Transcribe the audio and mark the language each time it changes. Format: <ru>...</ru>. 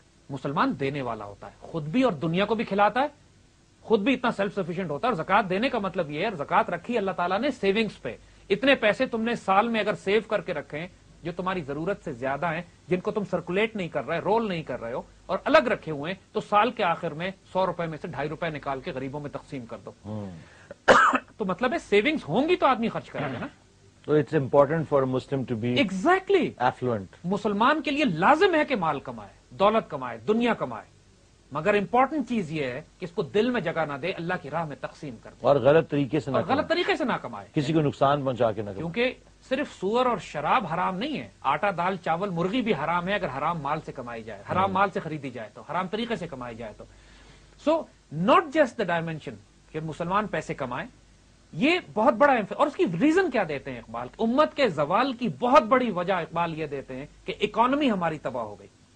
<ur>مسلمان دینے والا ہوتا ہے خود بھی اور دنیا کو بھی کھلاتا ہے خود بھی اتنا سیلف سفیشنٹ ہوتا ہے اور زکات دینے کا مطلب یہ ہے زکات رکھی اللہ تعالیٰ نے سیونگز پہ اتنے پیسے تم نے سال میں اگر سیو کر کے رکھے ہیں جو تمہاری ضرورت سے زیادہ ہیں جن کو تم سرکولیٹ نہیں کر رہے رول نہیں کر رہے ہو اور الگ رکھے ہوئے ہیں تو سال کے آخر میں 100 روپے میں سے 250 روپے نکال کے غریبوں میں تقسیم کر دو تو مطلب ہے سیونگز ہوں گی تو آدمی خرچ کرے گا نا</ur> <en>So it's important for a Muslim to be exactly affluent.</en> <ur>مسلمان کے لیے لازم ہے کہ مال کمائے دولت کمائے دنیا کمائے مگر امپورٹنٹ چیز یہ ہے کہ اس کو دل میں جگہ نہ دے اللہ کی راہ میں تقسیم کر دے اور غلط طریقے سے نہ اور غلط طریقے سے نہ کمائے کسی کو نقصان پہنچا کے نہ کیونکہ صرف سور اور شراب حرام نہیں ہے آٹا دال چاول مرغی بھی حرام ہے اگر حرام مال سے کمائی جائے حرام مال سے خریدی جائے تو حرام طریقے سے کمائی جائے تو</ur> <en>so not just the dimension</en> <ur>کہ مسلمان پیسے کمائے یہ بہت بڑا اور اس کی ریزن کیا دیتے ہیں اقبال امت کے زوال کی بہت بڑی وجہ اقبال یہ دیتے ہیں کہ اکانومی ہماری تباہ ہو گئی</ur>